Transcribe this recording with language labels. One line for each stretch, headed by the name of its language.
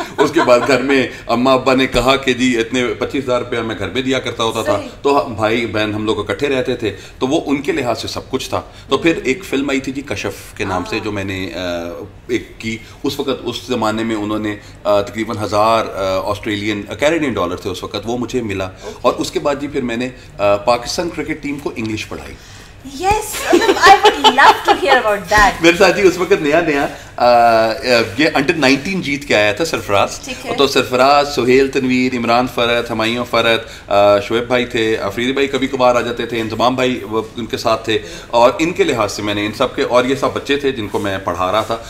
Urdu: اس کے بعد گھر میں اماں ابا نے کہا کہ جی اتنے 25,000 روپیہ میں گھر میں دیا کرتا ہوتا تھا, تو بھائی بہن ہم لوگ اکٹھے رہتے تھے, تو وہ ان کے لحاظ سے سب کچھ تھا. تو پھر ایک فلم آئی تھی جی کشف کے نام سے جو میں نے ایک کی. اس وقت اس زمانے میں انہوں نے تقریباً 1,000 آسٹریلین کینیڈین ڈالر تھے اس وقت, وہ مجھے ملا. اور اس کے بعد جی پھر میں نے پاکستان کرکٹ ٹیم کو انگلش پڑھائی.
English: Yes, I would love to hear about that.
Urdu: میرے ساتھ جی اس وقت نیا نیا یہ انڈر 19 جیت کے آیا تھا سرفراز, تو سرفراز, سہیل تنویر, عمران فرد, ہمایوں فرد, شعیب بھائی تھے, افریدی بھائی کبھی کبھار آ جاتے تھے, انضمام بھائی ان کے ساتھ تھے, اور ان کے لحاظ سے میں نے ان سب کے, اور یہ سب بچے تھے جن کو میں پڑھا رہا تھا.